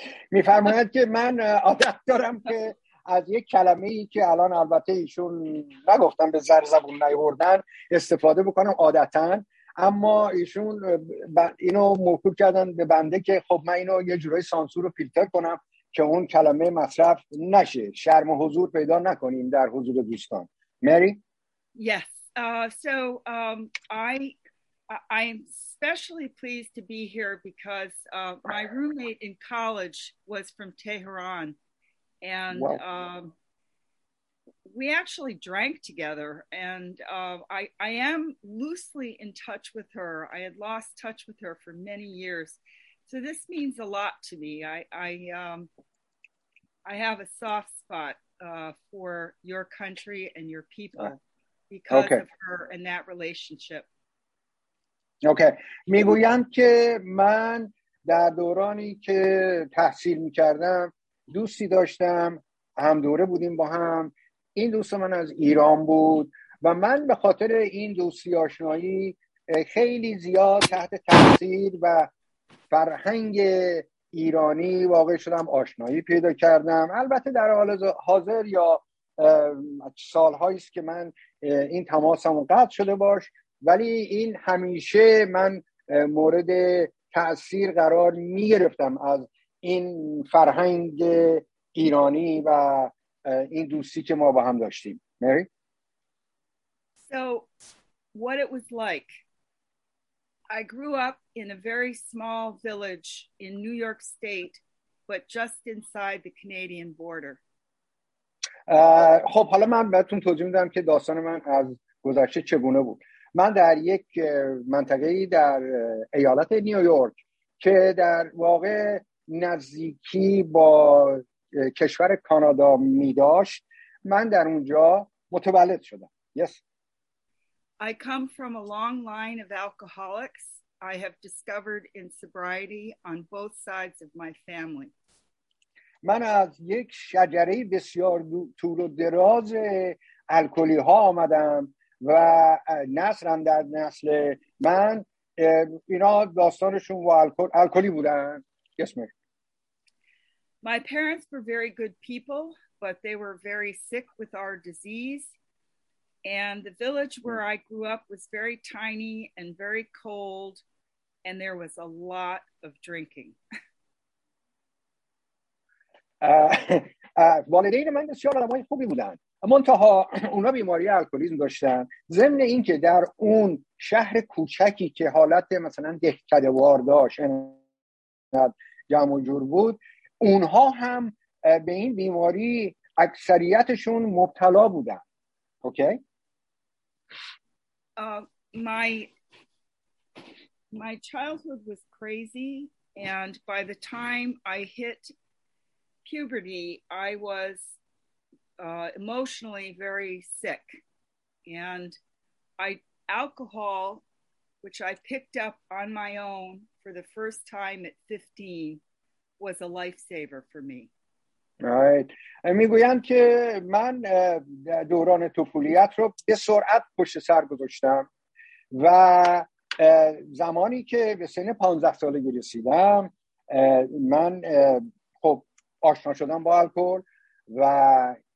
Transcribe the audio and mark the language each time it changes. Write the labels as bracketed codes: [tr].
[fa] می‌فرماید که من عادت دارم که از یک کلمه‌ای که الان البته ایشون نگفتن به زر زبون نیوردن استفاده بکنم عادتاً، اما ایشون اینو موکول کردن به بنده که خب من اینو یه جورای سانسور رو فیلتر کنم که اون کلمه مصرف نشه، شرم و حضور پیدا نکنیم در حضور دوستان. مری؟ [en] Yes. So I am especially pleased to be here because my roommate in college was from Tehran and wow. We actually drank together, and I am loosely in touch with her. I had lost touch with her for many years, so this means a lot to me. I have a soft spot for your country and your people because okay. of her and that relationship. Okay. [fa] میگویند که من در دورانی که تحصیل میکردم دوستی داشتم، هم دوره بودیم با هم. این دوست من از ایران بود و من به خاطر این دوستی آشنایی خیلی زیاد تحت تاثیر و فرهنگ ایرانی واقع شدم، آشنایی پیدا کردم. البته در حال حاضر یا سالهایی است که من این تماسم قطع شده باش، ولی این همیشه من مورد تاثیر قرار می گرفتم از این فرهنگ ایرانی و این دوستی که ما با هم داشتیم. مری؟ [en] So what it was like. I grew up in a very small village in New York State, but just inside the Canadian border. [fa] خب حالا من بهتون توضیح میدم که داستان من از گذشته چگونه بود. من در یک منطقه‌ای در ایالت نیویورک که در واقع نزدیکی با کشور کانادا می داشت، من در اونجا متولد شدم. [en] Yes. I come from a long line of alcoholics. I have discovered in sobriety on both sides of my family. [fa] من از یک شجره بسیار طول و دراز الکلی ها آمدم و نسل هم در نسل من اینا داستانشون با الکلی بودن. اسمش [en] My parents were very good people, but they were very sick with our disease. And the village where I grew up was very tiny and very cold, and there was a lot of drinking. [fa] والدین من بسیار آدمای خوبی بودن. منتها اونا بیماری الکلیسم داشتن. ضمن اینکه در اون شهر کوچکی که حالت مثلا دهکده وار داشت، جمع و جور بود، اونها هم به این بیماری اکثریتشون مبتلا بودن. [en] Okay? My childhood was crazy, and by the time I hit puberty, I was emotionally very sick, and alcohol, which I picked up on my own for the first time at 15, was a lifesaver for me. Right. [fa] میگویند که من دوران طفولیت رو به سرعت پشت سر گذاشتم و زمانی که به سن 15 سالگی رسیدم من خب آشنا شدم با الکل و